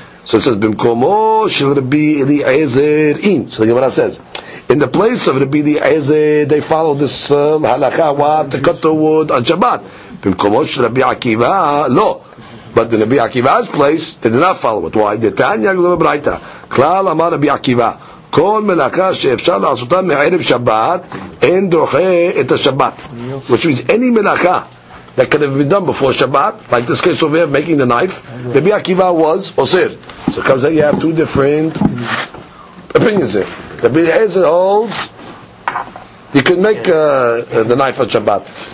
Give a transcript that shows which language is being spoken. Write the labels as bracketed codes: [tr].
[en] So it says, Bimkomo shel Rabbi Eliezer in. So the Gemara says, in the place of Rabbi Eliezer, they follow this halacha, what, to cut the wood on Shabbat. Bimkomo shel Rabbi Akiva, lo. But in Rabbi Akiva's place, they did not follow it. [he] Why? Detanya gluva braita. Klal amar Rabbi Akiva. כל מלאכה שאפשר לעשותה מערב שבת, אין דוחה את השבת. [en] Which means any מלאכה that could have been done before Shabbat, like this case over here, making the knife, Rabbi Akiva was osir. So it comes that you have two different opinions here. Rabbi Eliezer holds, you can make the knife on Shabbat.